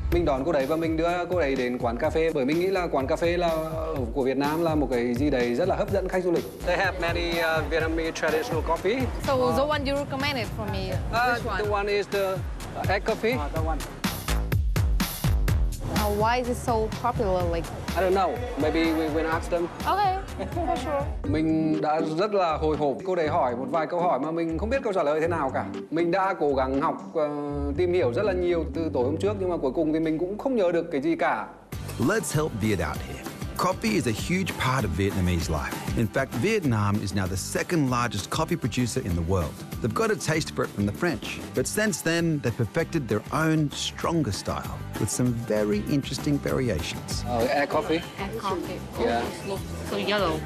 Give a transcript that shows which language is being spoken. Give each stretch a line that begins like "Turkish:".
Vietnamese: Mình đón cô đấy và mình đưa cô đấy đến quán cà phê bởi mình nghĩ là quán cà phê là của Việt Nam là một cái gì đấy rất là hấp dẫn khách du lịch.
English: They have many Vietnamese traditional coffee. So the one you recommended for me, which one? The one is the egg coffee. The one. Why is it so popular? Like I don't know. Maybe we will ask them. Okay, for sure.
Vietnamese: Mình đã rất là hồi hộp. Cô đấy hỏi một vài câu hỏi mà mình không biết câu trả lời thế nào cả. Mình đã cố gắng học tìm hiểu rất là nhiều từ tối hôm trước nhưng mà cuối cùng thì mình cũng không nhớ được cái gì cả.
English: Let's help Viet out here. Coffee is a huge part of Vietnamese life. In fact, Vietnam is now the second largest coffee producer in the world. They've got a taste for it from the French, but since then, they've perfected their own stronger style with some very interesting variations. Air coffee. Yeah. Looks so yellow.